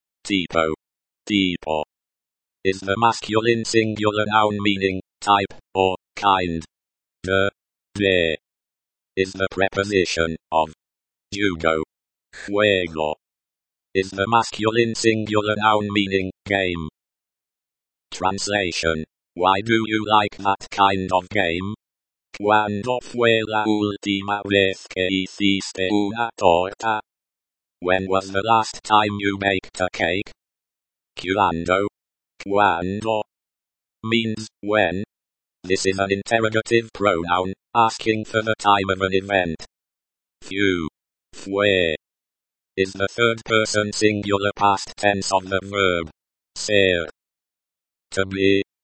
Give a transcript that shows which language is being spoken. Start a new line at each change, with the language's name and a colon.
English: Tipo. Tipo. Is the masculine singular noun meaning type or kind. De. De. Is the preposition of. Jugo. Juego. Is the masculine singular noun meaning game. Translation. Why do you like that kind of game?
Spanish: ¿Cuándo fue la última vez que hiciste una torta?
English: When was the last time you baked a cake? Cuando. Cuando. Means when. This is an interrogative pronoun, asking for the time of an event. Fu. Fue. Is the third person singular past tense of the verb. Ser. To be.